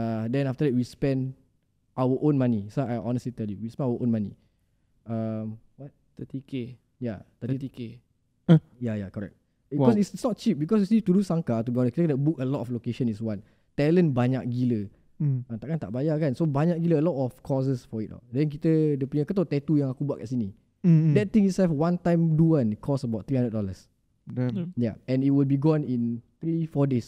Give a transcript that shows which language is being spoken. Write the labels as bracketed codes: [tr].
[en] Then after that, we spend our own money. So I honestly tell you, we spend our own money. What? 30K. Yeah, 30K. Yeah, correct. Because it's not cheap. Because you see, to do Sangka, to be honest, [ms] kita kena [en] book a lot of location is one. [ms] Talent banyak gila. Takkan tak bayar kan? So banyak gila, [en] a lot of causes for it. [ms] Then kita, dia punya, kau tahu tattoo yang aku buat kat sini. [en] That thing itself, one time do one, cost about $300. Damn. Yeah, and it will be gone in 3-4 days.